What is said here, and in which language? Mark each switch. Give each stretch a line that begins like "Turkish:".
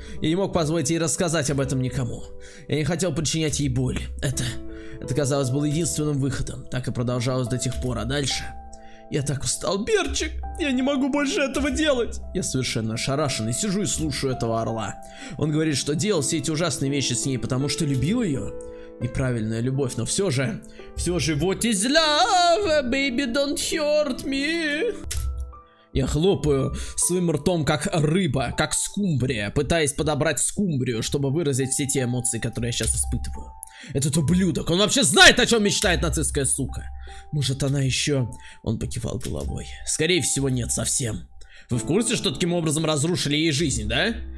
Russian: Я не мог позволить ей рассказать об этом никому. Я не хотел причинять ей боль. Это казалось, было единственным выходом. Так и продолжалось до тех пор. А дальше... Я так устал, Берчик! Я не могу больше этого делать! Я совершенно ошарашен и сижу и слушаю этого орла. Он говорит, что делал все эти ужасные вещи с ней, потому что любил ее. Неправильная любовь, но все же,
English: what is love, baby, don't hurt me.
Russian: Я хлопаю своим ртом, как рыба, как скумбрия, пытаясь подобрать скумбрию, чтобы выразить все те эмоции, которые я сейчас испытываю. Этот ублюдок, он вообще знает, о чем мечтает нацистская сука. Может, она еще... Он покивал головой. Скорее всего, нет, совсем. Вы в курсе, что таким образом разрушили ей жизнь, да?